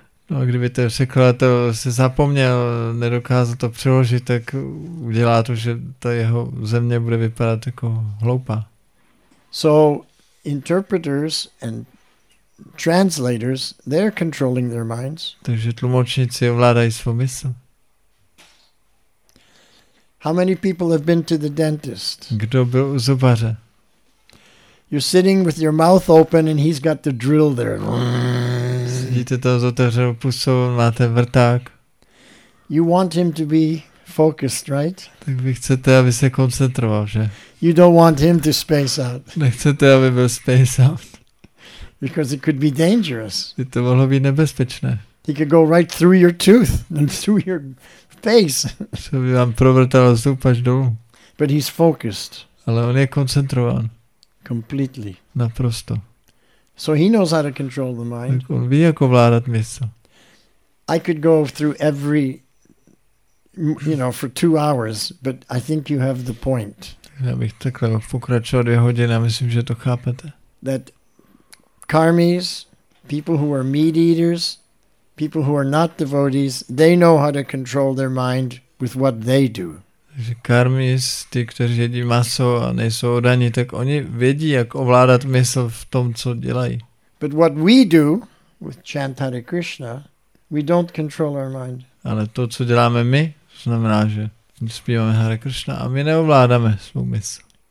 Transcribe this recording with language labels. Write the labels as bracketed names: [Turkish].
[Czech] No, kdyby ten překladatel se zapomněl, nedokázal to přeložit, tak udělá to, že ta jeho země bude vypadat jako hloupá. [English] So interpreters and translators, they're controlling their minds. [Czech] Takže tlumočníci ovládají svou mysl. [English] How many people have been to the dentist? [Czech] Kdo byl u zubaře? [English] You're sitting with your mouth open and he's got the drill there. [Czech] Sedíte tam s otevřenou pusou, máte vrták. [English] You want him to be focused, right? [Czech] Tak vy chcete, aby se koncentroval, že? [English] You don't want him to space out. [Czech] Nechcete, aby byl [English] space out. Because it could be dangerous. [Czech] By to mohlo být nebezpečné. [English] He could go right through your tooth and through your face. [Czech] Co by vám provrtalo zub až dolů. [English] But he's focused. [Czech] Ale on je koncentrován. [English] Completely. [Czech] Naprosto. [English] So he knows how to control the mind. [Czech] Tak on ví, jak ovládat mysl. [English] I could go through every, you know, for 2 hours, but I think you have the point. [Czech] Já bych takhle pokračoval 2 hodiny a myslím, že to chápete. [English] That karmis, people who are meat eaters, people who are not devotees, they know how to control their mind with what they do. [Czech] Takže karmis, ti, kteří jedí maso a nejsou odaní, tak oni vědí, jak ovládat mysl v tom, co dělají. [English] But what we do with chant Hare Krishna, we don't control our mind. [Czech] Ale to, co děláme my, znamená, že zpíváme Hare Krishna a my neovládáme svou mysl.